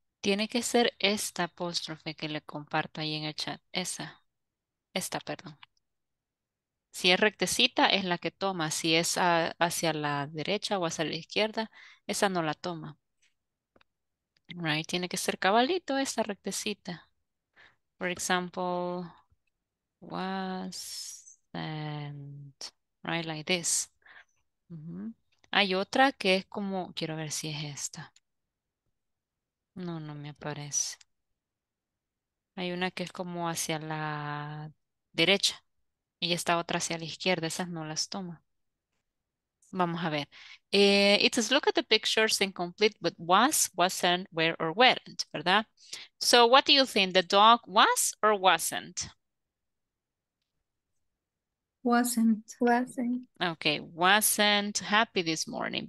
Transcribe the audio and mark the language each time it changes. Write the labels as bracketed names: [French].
[Spanish] Tiene que ser esta apóstrofe que le comparto ahí en el chat. Esta, perdón. Si es rectecita, es la que toma. Si es hacia la derecha o hacia la izquierda, esa no la toma. Right. Tiene que ser cabalito esta rectecita. [English] For example, was and right like this. [Spanish] Hay otra que es como, quiero ver si es esta. No me aparece. Hay una que es como hacia la derecha. Y esta otra hacia la izquierda. Esas no las toma. Vamos a ver. [English] It says, look at the pictures and complete with was, wasn't, where, or weren't. ¿Verdad? So, what do you think? The dog was or wasn't? Wasn't. Wasn't. Okay. Wasn't happy this morning.